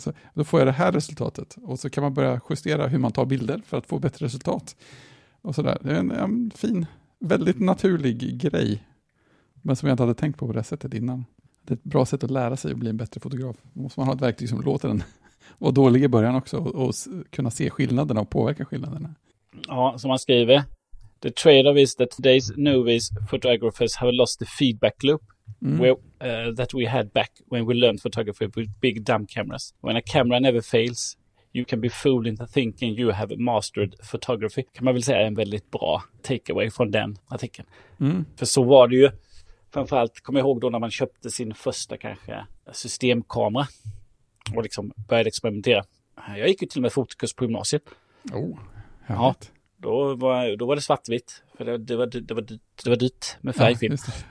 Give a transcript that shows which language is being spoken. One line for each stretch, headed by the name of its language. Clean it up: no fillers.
Swedish: Så då får jag det här resultatet. Och så kan man börja justera hur man tar bilder för att få bättre resultat. Och sådär. Det är en fin, väldigt naturlig grej. Men som jag inte hade tänkt på det sättet innan. Det är ett bra sätt att lära sig att bli en bättre fotograf. Då måste man ha ett verktyg som låter den vara dålig i början också. Och kunna se skillnaderna och påverka skillnaderna. Ja, som man skriver.
English: The trade-off is that today's novice photographers have lost the feedback loop. Mm. That we had back when we learned photography with big dumb cameras. When a camera never fails, you can be fooled into thinking you have mastered photography.
Swedish: Kan man väl säga en väldigt bra takeaway från den artikeln. Mm. För så var det ju, framförallt, kom jag ihåg då när man köpte sin första kanske systemkamera och liksom började experimentera. Jag gick ju till och med fotokurs på gymnasiet. Oh, ja. Då var det svartvitt, för det var dyrt med färgfilm. Ja, just det.